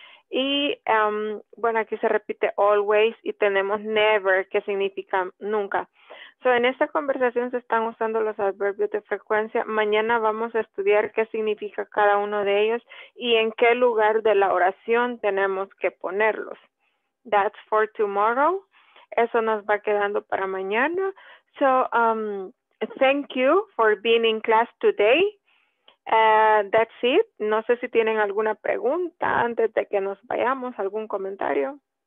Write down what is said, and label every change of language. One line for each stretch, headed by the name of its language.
Spanish: Y bueno, aquí se repite always y tenemos never, que significa nunca. So, en esta conversación se están usando los adverbios de frecuencia. Mañana vamos a estudiar qué significa cada uno de ellos y en qué lugar de la oración tenemos que ponerlos.
English: That's for tomorrow.
Spanish: Eso nos va quedando para mañana.
English: So, thank you for being in class today. That's it.
Spanish: No sé si tienen alguna pregunta antes de que nos vayamos, algún comentario.